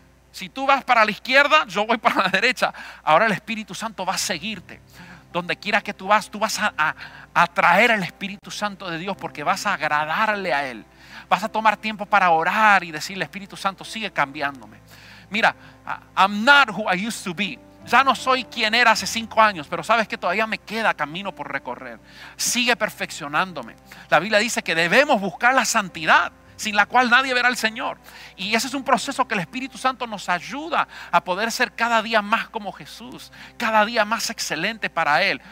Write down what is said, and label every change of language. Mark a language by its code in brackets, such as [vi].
[es] Si tú vas para la izquierda, yo voy para la derecha. Ahora el Espíritu Santo va a seguirte. Donde quiera que tú vas a atraer al Espíritu Santo de Dios porque vas a agradarle a Él. Vas a tomar tiempo para orar y decirle, Espíritu Santo, sigue cambiándome. Mira, [en] I'm not who I used to be. [es] Ya no soy quien era hace 5 años, pero sabes que todavía me queda camino por recorrer. Sigue perfeccionándome. La Biblia dice que debemos buscar la santidad, sin la cual nadie verá al Señor. Y ese es un proceso que el Espíritu Santo nos ayuda a poder ser cada día más como Jesús, cada día más excelente para Él.